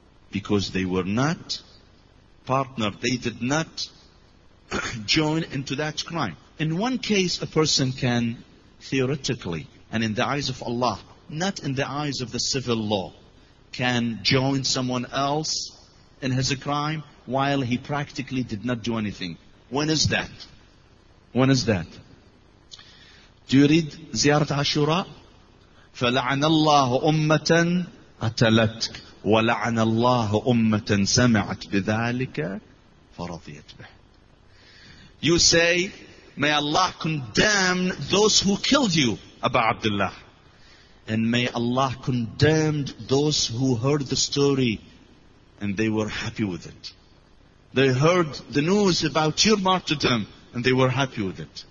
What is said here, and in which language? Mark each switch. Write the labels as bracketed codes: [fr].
[en] Because they were not partnered, they did not join into that crime. In one case, a person can theoretically, and in the eyes of Allah, not in the eyes of the civil law, can join someone else in his crime while he practically did not do anything. When is that? When is that? Do you read [ar] زيارة عاشوراء؟ فلعن الله أمة قتلت ولعن الله أمة سمعت بذلك فرضيت به. [en] You say, may Allah condemn those who killed you, Abu Abdullah. And may Allah condemn those who heard the story and they were happy with it. They heard the news about your martyrdom and they were happy with it.